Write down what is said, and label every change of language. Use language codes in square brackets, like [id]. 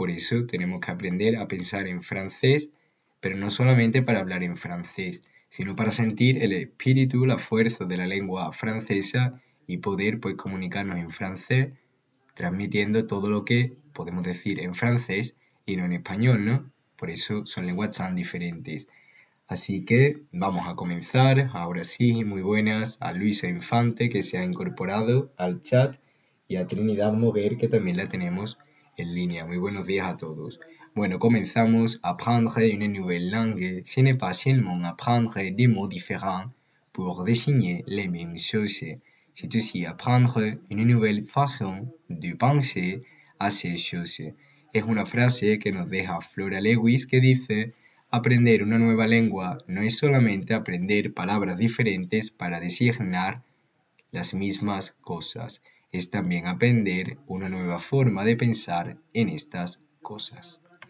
[es] Por eso tenemos que aprender a pensar en francés, pero no solamente para hablar en francés, sino para sentir el espíritu, la fuerza de la lengua francesa y poder pues comunicarnos en francés, transmitiendo todo lo que podemos decir en francés y no en español, ¿no? Por eso son lenguas tan diferentes. Así que vamos a comenzar. Ahora sí, muy buenas a Luisa Infante que se ha incorporado al chat y a Trinidad Moguer que también la tenemos en línea. Muy buenos días a todos. Bueno, comenzamos. [fr] Apprendre une nouvelle langue, ce n'est pas seulement apprendre des mots différents pour désigner les mêmes choses. C'est aussi apprendre une nouvelle façon de penser à ces choses. [es] Es una frase que nos deja Flora Lewis que dice: Aprender una nueva lengua no es solamente aprender palabras diferentes para designar las mismas cosas, es también aprender una nueva forma de pensar en estas cosas.